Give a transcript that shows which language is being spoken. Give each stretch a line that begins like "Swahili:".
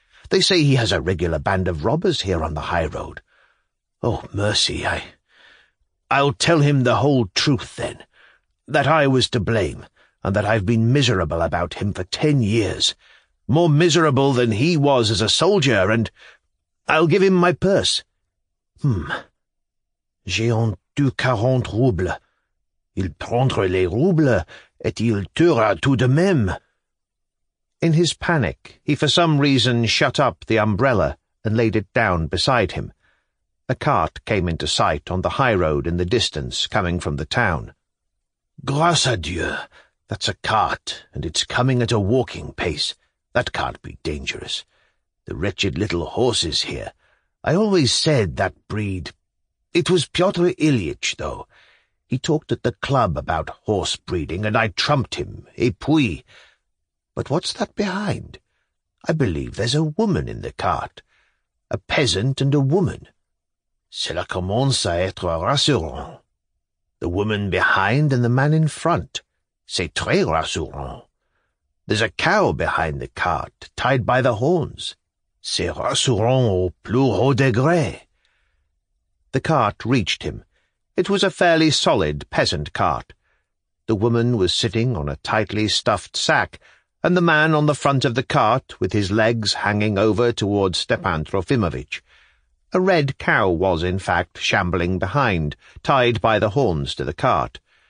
English: They say he has a regular band of robbers here on the high road. Oh, mercy, I'll tell him the whole truth, then, that I was to blame, and that I've been miserable about him for 10 years, more miserable than he was as a soldier, and I'll give him my purse.
French: J'ai en tout 40 roubles. Il prendra les roubles, et il tuera tout de même.
English: In his panic, he for some reason shut up the umbrella and laid it down beside him. A cart came into sight on the high road in the distance, coming from the town.
French: Grâce à Dieu,
English: that's a cart, and it's coming at a walking pace. That can't be dangerous. The wretched little horses here. I always said that breed. It was Pyotr Ilyich, though. He talked at the club about horse breeding, and I trumped him,
French: et puis.
English: But what's that behind? I believe there's a woman in the cart. A peasant and a woman.
French: Cela commence à être rassurant.
English: The woman behind and the man in front.
French: C'est très rassurant.
English: There's a cow behind the cart, tied by the horns.
French: C'est rassurant au plus haut degré.
English: The cart reached him. It was a fairly solid peasant cart. The woman was sitting on a tightly stuffed sack, and the man on the front of the cart, with his legs hanging over towards Stepan Trofimovitch. A red cow was, in fact, shambling behind, tied by the horns to the cart.